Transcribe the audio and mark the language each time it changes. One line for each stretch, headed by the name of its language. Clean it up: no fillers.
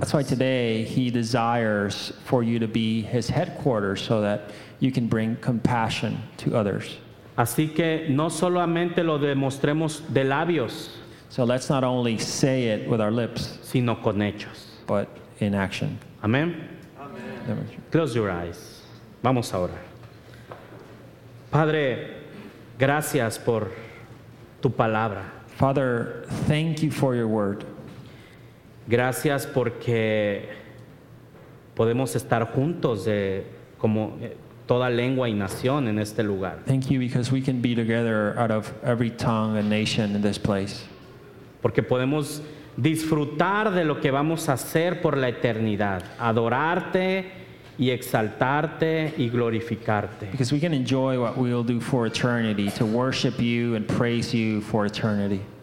English: That's why today He desires for you to be His headquarters so that you can bring compassion to others.
Spanish: Así que no solamente lo demostremos de labios.
English: So let's not only say it with our lips.
Spanish: Sino con hechos.
English: But in action.
Spanish: Amén.
English: Amen. Close your eyes.
Spanish: Vamos a orar. Padre, gracias por tu palabra.
English: Father, thank you for your word.
Spanish: Gracias porque podemos estar juntos de como toda lengua y nación en este lugar.
English: Thank you because we can be together out of every tongue and nation in this place.
Spanish: Porque podemos disfrutar de lo que vamos a hacer por la eternidad, adorarte y exaltarte y glorificarte.
English: Because we can enjoy what we will do for eternity, to worship you and praise you for eternity.